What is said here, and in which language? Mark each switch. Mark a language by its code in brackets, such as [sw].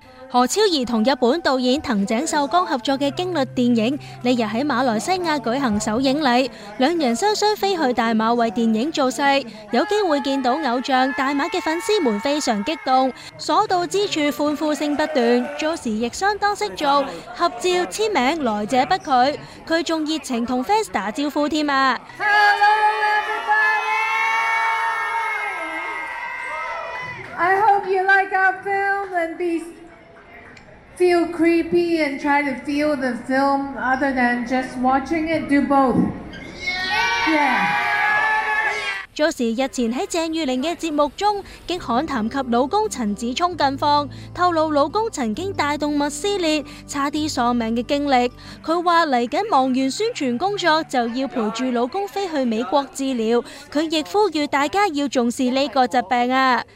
[zh] 何超儀同日本导演藤井秀光合作的惊栗电影呢日在马来西亚举行首映礼，两人双双飞去大马为电影造势，有机会见到偶像，大马的粉丝们非常激动，所到之处欢呼声不断，做时亦相当识做，合照签名来者不拒，他还热情同 fans 打招呼添啊。 [en] Hello everybody, I hope you like our film and feel creepy and try to feel the film other than just watching it, do both. Yeah! [zh] Josie 日前在郑裕玲的节目中经罕谈及老公陈子聪近况，透露老公曾经大动脉撕裂差点丧命的经历，他说来紧忙完宣传工作就要陪住老公飞去美国治疗，他亦呼吁大家要重视这个疾病啊。